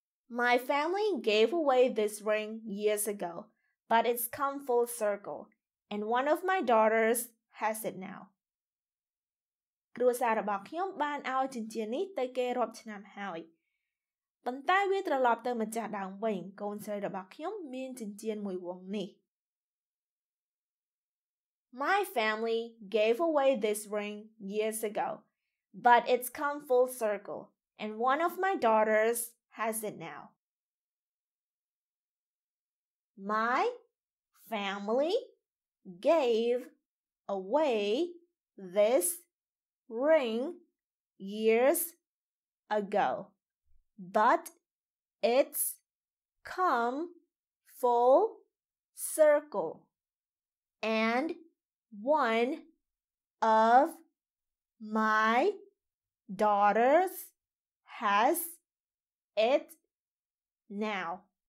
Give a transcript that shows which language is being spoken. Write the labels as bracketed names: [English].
[English] My family gave away this ring years ago but it's come full circle and one of my daughters has it now [Khmer] គ្រួសាររបស់ខ្ញុំបានឲ្យចិញ្ចៀននេះទៅគេរាប់ឆ្នាំហើយប៉ុន្តែវាត្រឡប់ទៅម្ចាស់ដើមវិញកូនស្រីរបស់ខ្ញុំមានចិញ្ចៀនមួយវងនេះ [English] My family gave away this ring years ago, but it's come full circle, and one of my daughters has it now. My family gave away this ring years ago, but it's come full circle, andOne of my daughters has it now.